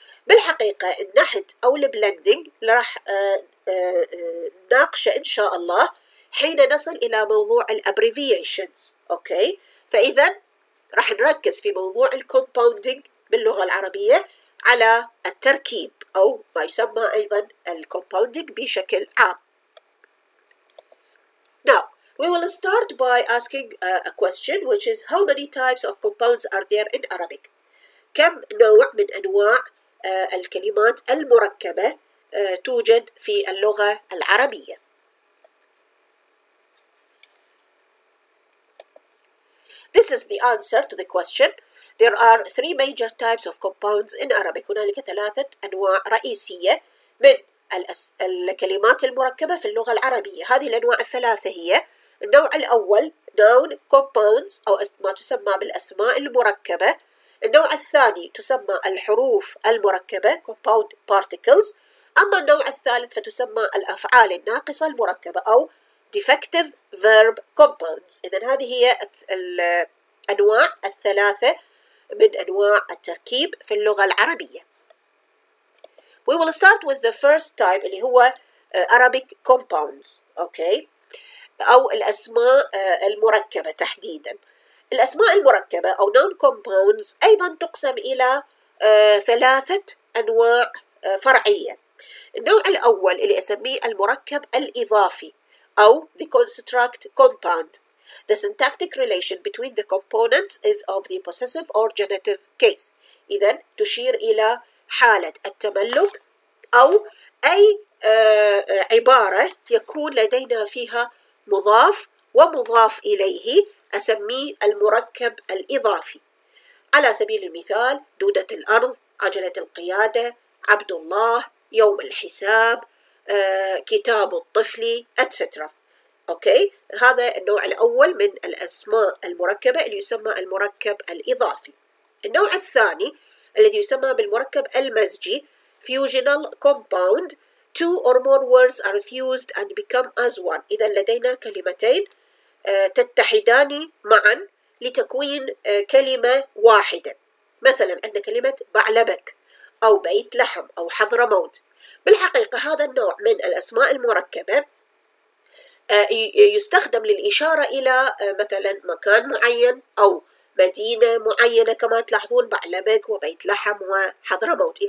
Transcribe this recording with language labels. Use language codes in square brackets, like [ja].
[ar] بالحقيقة النحت أو blending راح نناقش إن شاء الله حين نصل إلى موضوع abbreviations. أوكي, فإذا راح نركز في موضوع compounding باللغة العربية على التركيب أو ما يسمى أيضا compounding بشكل عام. [en] We will start by asking a question, which is how many types of compounds are there in Arabic? [ar] كم نوع من أنواع الكلمات المركبة توجد في اللغة العربية؟ [en] This is the answer to the question. There are three major types of compounds in Arabic. [ar] هنالك ثلاثة أنواع رئيسية من الكلمات المركبة في اللغة العربية. هذه الأنواع الثلاثة هي النوع الأول noun compounds أو ما تسمى بالأسماء المركبة. النوع الثاني تسمى الحروف المركبة compound particles. أما النوع الثالث فتسمى الأفعال الناقصة المركبة أو defective verb compounds. إذن هذه هي الأنواع الثلاثة من أنواع التركيب في اللغة العربية. [en] We will start with the first type [ar] اللي هو [en] Arabic compounds. [ar] Okay, أو الأسماء المركبة تحديداً. الأسماء المركبة أو noun compounds أيضاً تقسم إلى ثلاثة أنواع فرعية. النوع الأول اللي أسميه المركب الإضافي أو the construct compound. [en] The syntactic relation between the components is of the possessive or genitive case. [ar] إذن تشير إلى حالة التملك أو أي عبارة يكون لدينا فيها مضاف ومضاف إليه أسميه المركب الإضافي. على سبيل المثال دودة الأرض, عجلة القيادة, عبد الله, يوم الحساب, كتاب الطفل, etc. أوكي, هذا النوع الأول من الأسماء المركبة اللي يسمى المركب الإضافي. النوع الثاني الذي يسمى بالمركب المزجي fusional compound. [en] Two or more words are fused and become as one. [ar] إذن لدينا كلمتين تتحدان معا لتكوين كلمة واحدة. مثلا عندنا كلمة بعلبك أو بيت لحم أو حضرموت. بالحقيقة هذا النوع من الأسماء المركبة يستخدم للإشارة إلى مثلا مكان معين أو مدينة معينة, كما تلاحظون بعلبك وبيت لحم وحضرموت.